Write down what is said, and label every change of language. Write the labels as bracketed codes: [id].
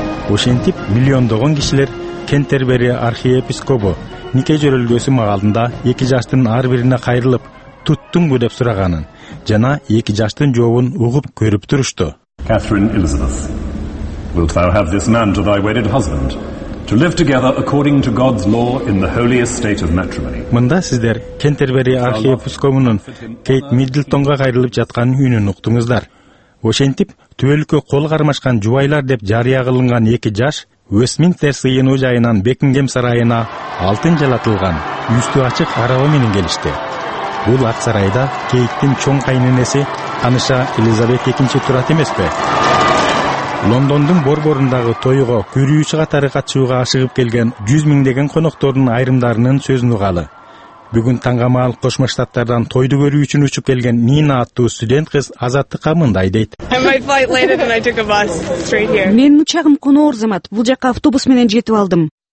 [ky] Ошентип миллиондогон кишилер Кентербери архиепископу нике жөрөлгөсү маалында эки жаштын ар бирине кайрылып туттуңбу деп сураганын жана эки жаштын жообун угуп көрүп турушту. [en] Catherine Elizabeth, wilt thou have this man to thy wedded husband to live together according to God's law in the holiest state of matrimony? [ky] Мында сиздер Кентербери архиепископунун Кейт Миддлтонго кайрылып жаткан үнүн уктуңуздар. Ошентип түбөлүккө кол кармашкан жубайлар деп жарыя кылынган эки жаш Вестминстер сыйынуу жайынан Бекингем сарайына алтын жалатылган үстү ачык арава менен келишти. Бул ак сарайда Кейттин чоң кайненеси Аныша Элизабет экинчи турат эмеспи? Лондондун борборундагы тойго күрүүчү катары катышууга ашыгып келген 100 000 коноктордун айрымдарынын сөзүн угалы. Бүгүн таңга маал Кошмо Штаттардан тойду көрүү үчүн учуп келген Нина аттуу студент кыз азаттыкка мындай дейт. Менин учагым коноо арзамат, бул жакка автобус менен жетип алдым.